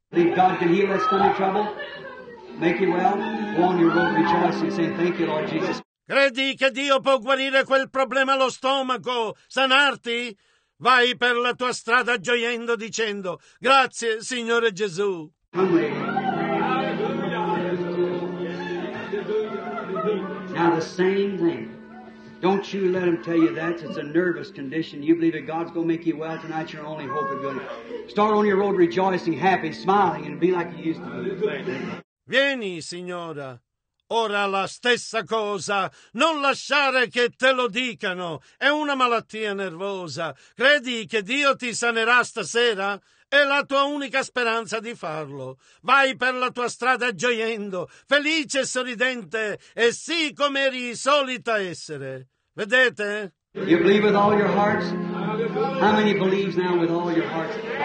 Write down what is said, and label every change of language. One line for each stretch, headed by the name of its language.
English: Think God can heal that stomach trouble? Make you well? Go on your road, rejoice and say, thank you, Lord Jesus.
Italian: Credi che Dio può guarire quel problema allo stomaco? Sanarti? Vai per la tua strada gioiendo, dicendo: grazie, Signore Gesù.
English: Now the same thing. Don't you let them tell you that. It's a nervous condition. You believe that God's going to make you well tonight. Your only hope is going to start on your road rejoicing, happy, smiling, and be like you used to be.
Italian: Vieni, Signora. Ora la stessa cosa, non lasciare che te lo dicano, è una malattia nervosa. Credi che Dio ti sanerà stasera? È la tua unica speranza di farlo. Vai per la tua strada gioiendo, felice e sorridente, e sii come eri solita essere. Vedete?
English: You believe with all your hearts? How many believes now with all your hearts?